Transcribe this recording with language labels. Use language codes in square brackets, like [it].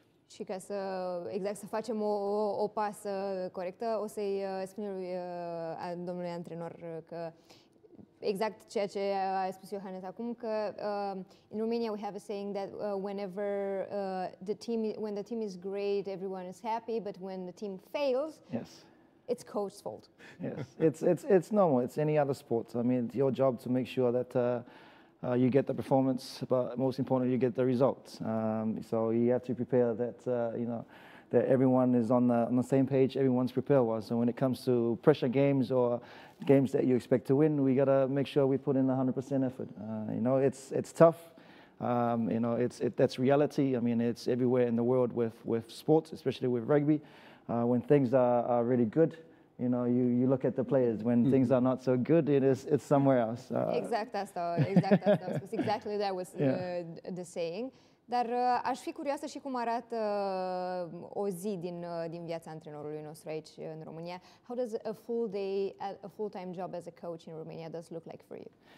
[ro] Și ca să exact să facem o pasă corectă, o să-i spun lui domnului antrenor că exact ceea ce a spus Iohannes acum, că [en] in Romania we have a saying that whenever the team is great, everyone is happy, but when the team fails, yes, it's coach's fault. Yes, it's normal. It's any other sport. I mean, it's your job to make sure that you get the performance, but most importantly, you get the results. So you have to prepare that that everyone is on the same page. Everyone's prepared well. So when it comes to pressure games or games that you expect to win, we gotta make sure we put in 100% effort. It's tough. That's reality. I mean, it's everywhere in the world with sports, especially with rugby. When things are really good, you look at the players. When things are not so good, it's somewhere else. Exactly that was the saying. [ro] Dar aș fi curioasă și cum arată o zi din viața antrenorului nostru aici în România. [en] How does a full day, a full-time job as a coach in Romania does look like for you?